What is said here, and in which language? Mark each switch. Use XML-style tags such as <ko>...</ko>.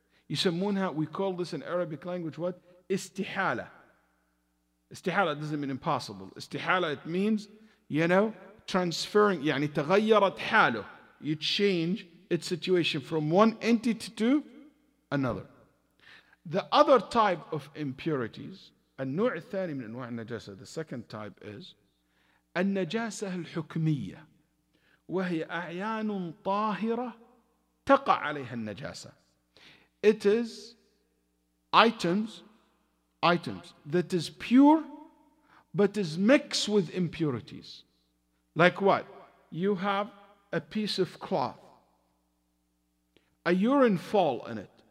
<ar>يسمونها,</ar> <en>we call this in Arabic language what? Istihala. Istihala doesn't mean impossible. Istihala, it means, you know, transferring.</en> <ar>يعني تغيرت حاله.</ar> <en>You change its situation from one entity to another. The other type of impurities,</en> <ar>النوع الثاني من أنواع النجاسة,</ar> <en>the second type is</en> <ar>النجاسة الحكمية, وهي أعيان طاهرة تقع عليها النجاسة.</ar> <en>It is items that is pure but is mixed with impurities. Like what? You have a piece of cloth. A urine fall in it.</en>